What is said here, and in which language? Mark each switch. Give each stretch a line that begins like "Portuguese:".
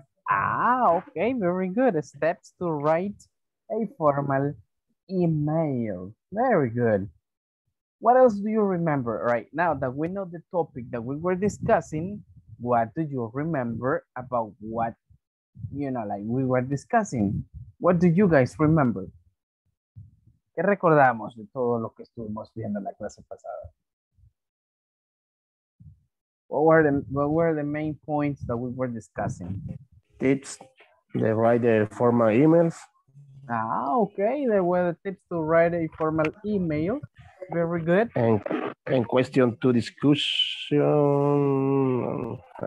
English: Ah, okay, very good. Steps to write a formal email. Very good. What else do you remember right now that we know the topic that we were discussing? What do you remember about what, you know, like we were discussing? What do you guys remember?
Spanish: ¿Qué recordamos de todo lo que estuvimos viendo en la clase pasada?
English: What were the main points that we were discussing? Tips to write the formal emails. Ah, okay. There were the tips to write a formal email. Very good. And question to discussion.